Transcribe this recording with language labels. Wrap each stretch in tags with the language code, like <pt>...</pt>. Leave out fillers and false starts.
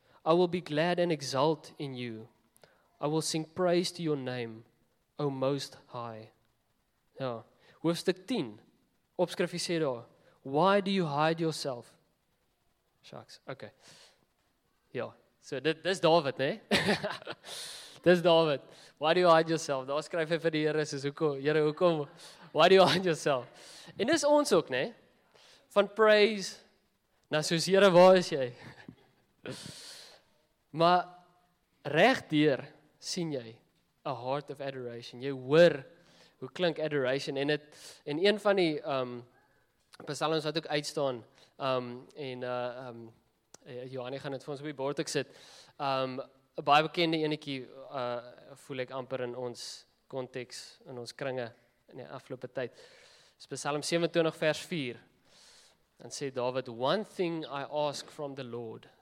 <en>I will be glad and exult in you. I will sing praise to your name, O Most High.</en> <af>Ja, hoofstuk 10, opskrifie sê daar,</af> <en>why do you hide yourself? Shucks, okay.</en> <af>Ja, so dis David, né? Dis David.</af> <en>Why do you hide yourself?</en> <af>Daar skryf hy vir die Here, soos hoekom, Here, hoekom?</af> <en>Why do you hide yourself?</en> <af>En dis ons ook, né? Van praise, na soos, Here, waar is jy? Maar regdeur sien jy</af> <en>a heart of adoration.</en> <af>Jy hoor hoe klink adoration. En het, en een van die psalms wat ook uitstaan, Johannie gaan het vir ons op die bord ek sit, a baie bekende enetjie, voel ek amper in ons context, in ons kringe, in die afgelope tyd, is Psalm 27 vers 4, en sê David,</af> <en>one thing I ask from the Lord,</en>